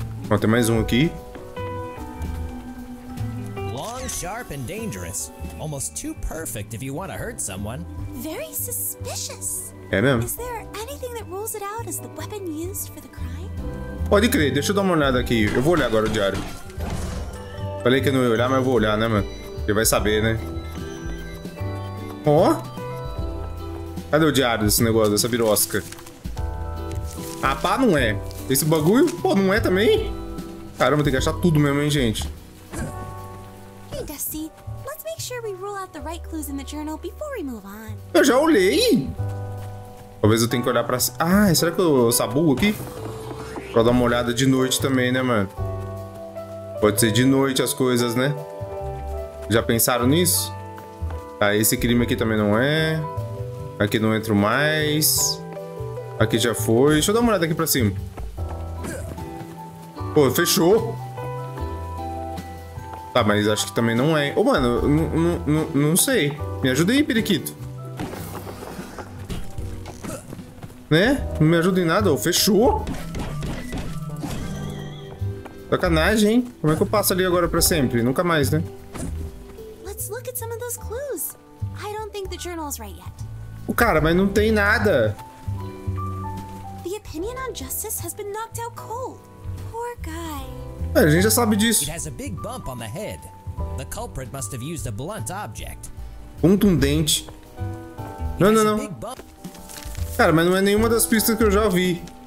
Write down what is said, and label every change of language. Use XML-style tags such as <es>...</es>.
<pt>Ó, tem mais um aqui.</pt> <en>Long, sharp and dangerous. Almost too perfect if you want to hurt someone. Very suspicious.</en> <pt>É mesmo?</pt> <en>Is there anything that rules it out as the weapon used for the crime?</en> <pt>Pode crer, deixa eu dar uma olhada aqui. Eu vou olhar agora o diário. Falei que eu não ia olhar, mas eu vou olhar, né, mano? Ele vai saber, né? Ó! Oh? Cadê o diário desse negócio, dessa birosca? Ah, pá, não é. Esse bagulho, pô, não é também? Caramba, tem que achar tudo mesmo, hein, gente?</pt> <en>Hey, Dusty. Let's make sure we rule out the right clues in the journal before we move on.</en> <pt>Eu já olhei! Talvez eu tenha que olhar pra... Ah, será que eu sabugo aqui? Pra dar uma olhada de noite também, né, mano? Pode ser de noite as coisas, né? Já pensaram nisso? Tá, esse crime aqui também não é. Aqui não entro mais. Aqui já foi. Deixa eu dar uma olhada aqui pra cima. Pô, fechou. Tá, mas acho que também não é. Ô, mano, não sei. Me ajuda aí, periquito. Né? Não me ajuda em nada. Ô, fechou. Sacanagem, hein? Como é que eu passo ali agora pra sempre? Nunca mais, né? Vamos olhar alguns desses clues. Eu não acho que o jornal está certo ainda. O cara, mas não tem nada.</pt> <en>The opinion on justice has been knocked out cold. Poor guy.</en> <pt>É, a gente já sabe disso.</pt> <en>It has a big bump on the head. The culprit must have used a blunt object.</en> <pt>Contundente. Não. Cara, mas não é nenhuma das pistas que eu já vi.</pt>